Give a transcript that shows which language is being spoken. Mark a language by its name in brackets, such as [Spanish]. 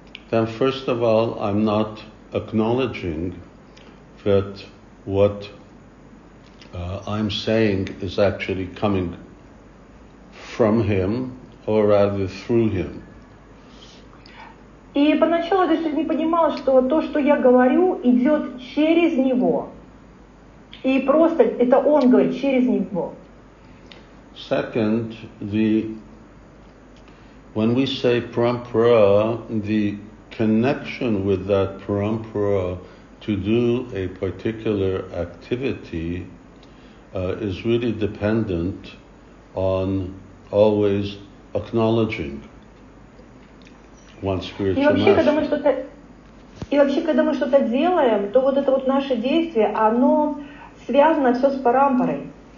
[English] Then first of all, I'm not acknowledging that what I'm saying is actually coming from him, or rather through him. [Russian] И поначалу я даже не понимала, что то, что я говорю, идет через него. И просто это он говорит через него. [English] Second, when we say parampara, the connection with that parampara to do a particular activity is really dependent on always acknowledging one's spiritual master. [Russian] И вообще, когда мы что-то делаем, то вот это вот наше действие, оно связано все с парампарой.